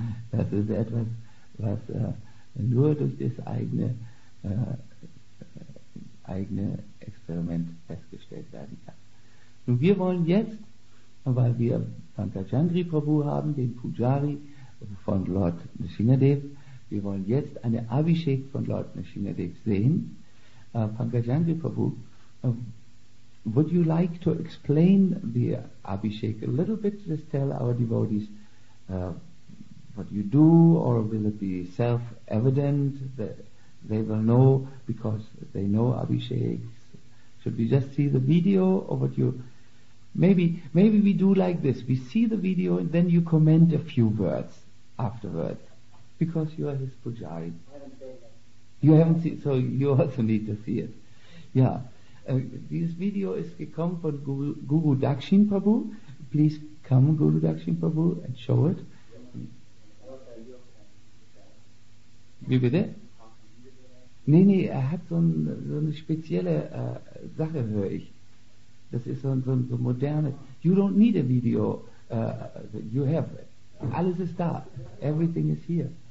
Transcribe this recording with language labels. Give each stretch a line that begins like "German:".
German: Das ist etwas, was nur durch das eigene Experiment festgestellt werden kann. Nun, wir wollen jetzt, weil wir Pankajangri Prabhu haben, den Pujari von Lord Nrisimhadev, wir wollen jetzt eine Abhishek von Lord Nrisimhadev sehen. Pankajangri Prabhu,
English: Would you like to explain the Abhishek a little bit, just tell our devotees what you do, or will it be self-evident that they will know because they know Abhishek? Should we just see the video, or what you... Maybe we do like this, we see the video and then you comment a few words afterwards, because you are his pujari. I haven't seen it. You haven't seen, so you also need to see it. Yeah. This video is come from Guru Dakshin Prabhu. Please come, Guru Dakshin Prabhu, and show it.
German: Wie bitte? Nee, er hat so eine spezielle Sache, höre ich. Das ist so moderne.
English: You don't need a video. You have it.
German: Alles ist da.
English: Everything is here.